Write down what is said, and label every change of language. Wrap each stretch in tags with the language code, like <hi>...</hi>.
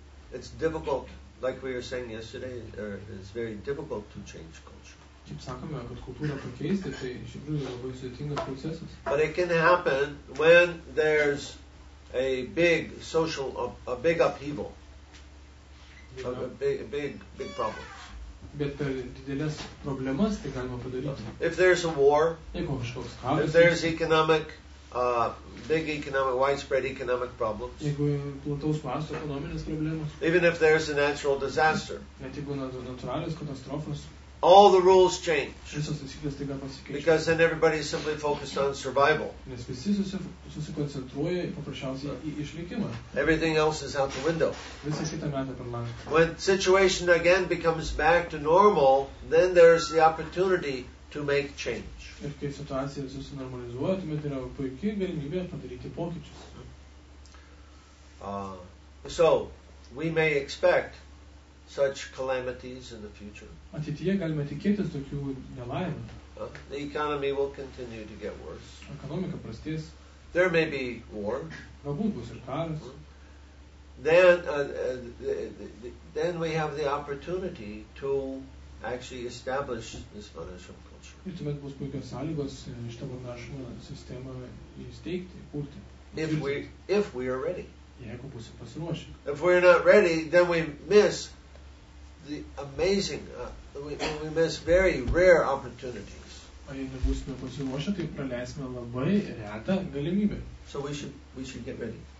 <en>It's difficult, like we were saying yesterday, it's very difficult to change culture.</en> <lt>Kaip sakome, kad kultūrą pakeisti, tai iš tikrųjų labai sudėtingas procesas.</lt> <en>But it can happen when there's a big social, a big upheaval. A big problem.</en> <lt>Bet per didelės problemas tai galima padaryti.</lt> <en>If there's a war,</en> <lt>jeigu kažkoks</lt> <en>karas, if there's economic big economic, widespread economic problems.</en> <lt>Jeigu plataus masto ekonominės problemos.</lt> <en>Even if there's a natural disaster.</en> <lt>Net jeigu natūralios katastrofos.</lt> <en>All the rules change.</en> <lt>Visos taisyklės taiga pasikeičia.</lt> <en>Because then everybody is simply focused on survival.</en> <lt>Nes visi susikoncentruoja paprasčiausiai į išlikimą.</lt> <en>Everything else is out the window.</en> <lt>Visi kita meta per langą.</lt> <en>When situation again becomes back to normal, then there's the opportunity to make change.</en> <lt>Ir kai situacija susinormalizuoja, tuomet yra puikiai galimybė padaryti pokyčius.</lt> <en>So, we may expect such calamities in the future.</en> <lt>Ateityje galime tikėtis tokių nelaimų.</lt> <en>The economy will continue to get worse.</en> <lt>Ekonomika prastės.</lt> <en>There may be war.</en> <lt>Galbūt bus ir karas.</lt> <en>Then we have the opportunity to actually establish this Varnashram culture.</en> <lt>Ir tuomet bus puikios sąlygos šitą Varnashramą sistemą įsteigti, kurti.</lt> <en>If we are ready.</en> <lt>Jeigu būsim pasiruošę.</lt> <en>If we are not ready, then we miss the amazing, we miss very rare opportunities. So we should get ready.</en>